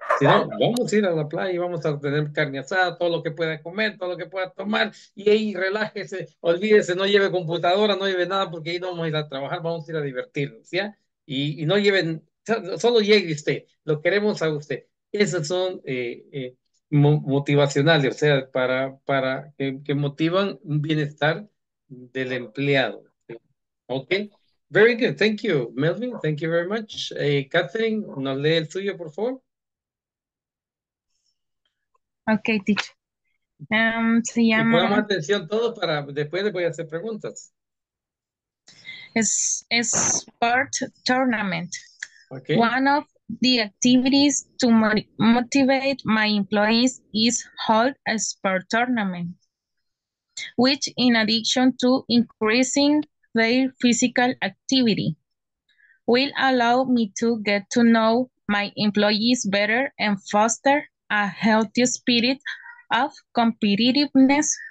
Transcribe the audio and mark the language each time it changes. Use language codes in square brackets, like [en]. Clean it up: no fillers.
[es] Si no, vamos a ir a la playa y vamos a tener carne asada, todo lo que pueda comer, todo lo que pueda tomar, y ahí relájese, olvídese, no lleve computadora, no lleve nada, porque ahí no vamos a ir a trabajar, vamos a ir a divertirnos, ¿ya? Y no lleven, solo llegue usted, lo queremos a usted. Esos son motivacionales, o sea, para que motivan un bienestar del empleado, ¿sí? ¿Ok? [en] Very good, thank you, Melvin, thank you very much. [es] Catherine, nos lee el suyo, por favor. Okay, teacher. Se llama. Pongamos atención todo para después le voy a hacer preguntas. [en] Es sport tournament. Okay. One of the activities to motivate my employees is hold a sport tournament, which in addition to increasing their physical activity, will allow me to get to know my employees better and foster a healthy spirit of competitiveness.